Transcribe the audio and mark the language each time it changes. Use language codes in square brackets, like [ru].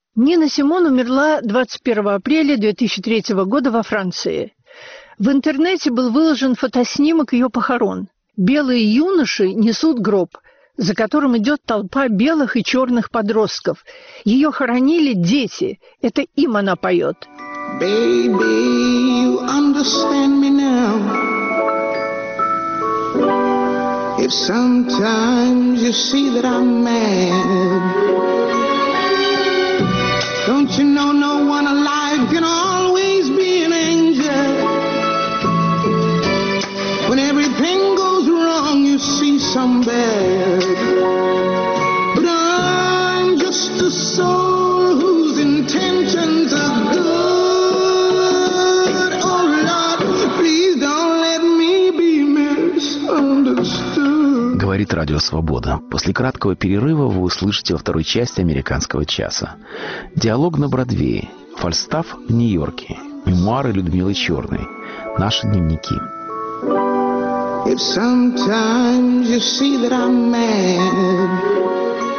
[ru] Нина Симон умерла 21 апреля 2003 года во Франции. В интернете был выложен фотоснимок ее похорон. Белые юноши несут гроб, за которым идет толпа белых и черных подростков. Ее хоронили дети. Это им она поет. [en] Baby, you understand me now. If sometimes you see that I'm mad, don't you know no one alive can always be an angel? When everything goes wrong, you see some bad. But I'm just a soul whose intentions are good. Oh Lord, please don't let me be misunderstood. [ru] Говорит Радио Свобода. После краткого перерыва вы услышите во второй части «Американского часа». Диалог на Бродвее. Фальстаф в Нью-Йорке. Мемуары Людмилы Черной. Наши дневники. [en] If sometimes you see that I'm mad,